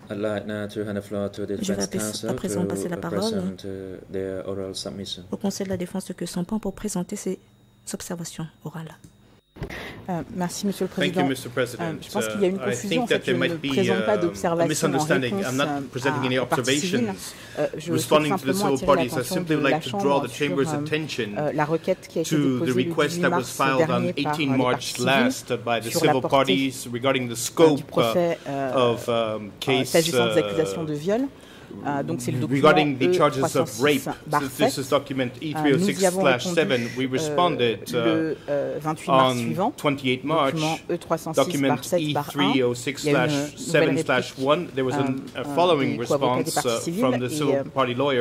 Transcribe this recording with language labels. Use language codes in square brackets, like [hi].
[en] I'd like now to hand the floor to the defense counsel to present their oral submission. [fr] Au conseil de la défense de Kyusampan pour présenter ses observations orales. Merci, Monsieur le Président. [en] Thank you, Mr. President. [fr] Je pense qu'il y a une confusion, en fait, je ne présente pas d'observation en réponse à la partie civile. Je voudrais simplement attirer l'attention de la Chambre sur la requête qui a été déposée le 18 mars dernier par les parties civiles sur la portée du procès s'agissant des accusations de viol. Donc c'est le document [en] regarding the charges of rape, since this is document E306/7, we responded on 28 March, document E306/7/1. There was a following response from the civil party lawyers.